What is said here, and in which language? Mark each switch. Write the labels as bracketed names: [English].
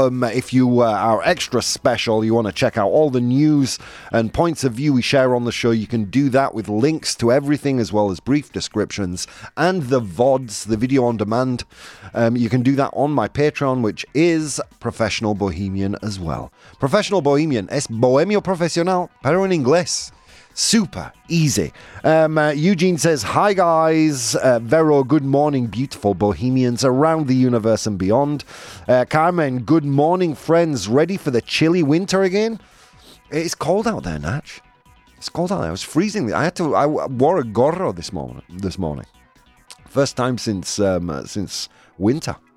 [English] If you are extra special, you want to check out all the news and points of view we share on the show, you can do that with links to everything as well as brief descriptions and the VODs, the video on demand. You can do that on my Patreon, which is Professional Bohemian as well. [Spanish] Professional Bohemian, es bohemio profesional, pero en inglés. [English] Super easy. Eugene says, hi guys. Vero, good morning, beautiful Bohemians around the universe and beyond. Carmen, good morning, friends. Ready for the chilly winter again? It's cold out there, Natch. It's cold out there. I was freezing. I wore a gorro this morning. First time since winter.